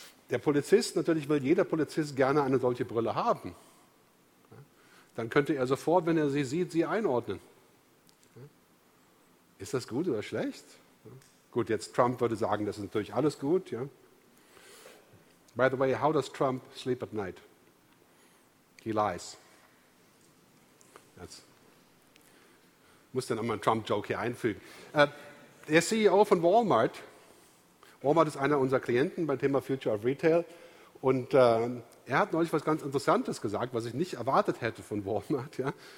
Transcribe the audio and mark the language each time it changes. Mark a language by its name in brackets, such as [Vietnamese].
[German] Der Polizist, natürlich will jeder Polizist gerne eine solche Brille haben. Dann könnte er sofort, wenn er sie sieht, sie einordnen. Ist das gut oder schlecht? Gut, jetzt Trump würde sagen, das ist natürlich alles gut. Ja. [English] By the way, how does Trump sleep at night? He lies. [German] Jetzt muss dann nochmal einen Trump-Joke hier einfügen. Der CEO von Walmart, Walmart ist einer unserer Klienten beim Thema Future of Retail, und er hat neulich was ganz Interessantes gesagt, was ich nicht erwartet hätte von Walmart. Ja.